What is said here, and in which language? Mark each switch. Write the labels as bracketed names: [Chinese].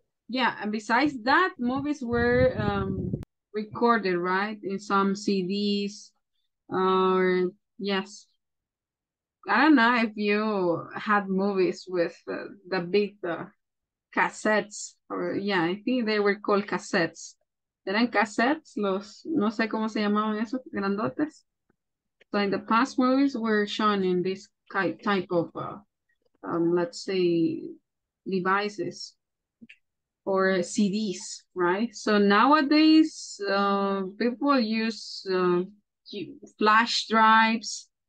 [English] Yeah, and besides that, movies were recorded, right? In some CDs, or yes. I don't know if you had movies with the big cassettes, or yeah, I think they were called cassettes. [Spanish] Eran cassettes, los, no sé cómo se llamaban esos grandotes. [English] So in the past, movies were shown in this type of, let's say, devices or CDs, right? So nowadays, people use flash drives.